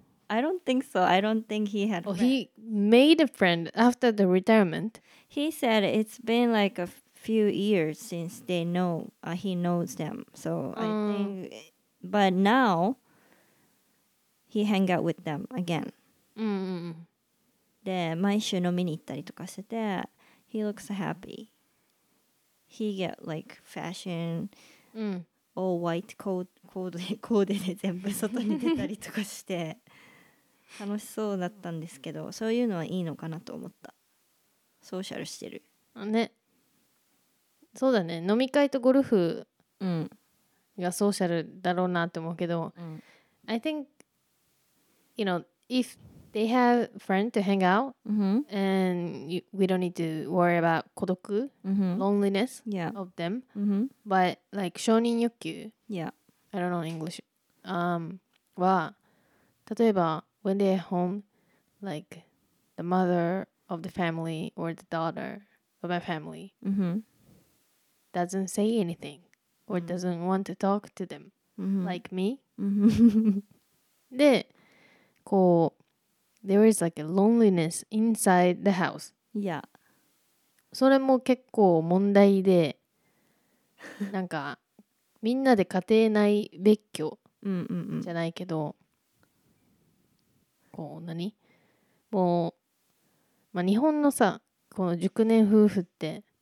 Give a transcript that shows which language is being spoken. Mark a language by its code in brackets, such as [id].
[en] I don't think so. I don't think he had. Oh, he made a friend after the retirement. He said it's been like a few years since they know he knows them. So I think, but now he hang out with them again. Mm-hmm. [ja] で毎週飲みに行ったりとかしてて。 [en] He looks happy. He get like fashion,、 [ja] うん、 [en] all white [ja] コーデで全部外に出たりとかして楽しそうだったんですけど、そういうのはいいのかなと思った。ソーシャルしてる。ね。そうだね。飲み会とゴルフがソーシャルだろうなって思うけど、うん、 [en] I think, you know, if they have friend to hang out、 mm-hmm. and you, we don't need to worry about 孤独、 mm-hmm. loneliness、 yeah. of them、 mm-hmm. but like 承認欲求 yeah I don't know English [ja] は例えば [en] when they're home like the mother of the family or the daughter of my family、 mm-hmm. doesn't say anything or、mm-hmm. doesn't want to talk to them、 mm-hmm. like me、 mm-hmm. [ja] でこう [en] There is like a loneliness inside the house. Yeah. [ja] それも結構問題で、なんかみんなで家庭内別居じゃないけど、こう何？もう、まあ、日本のさ、この熟年夫婦って、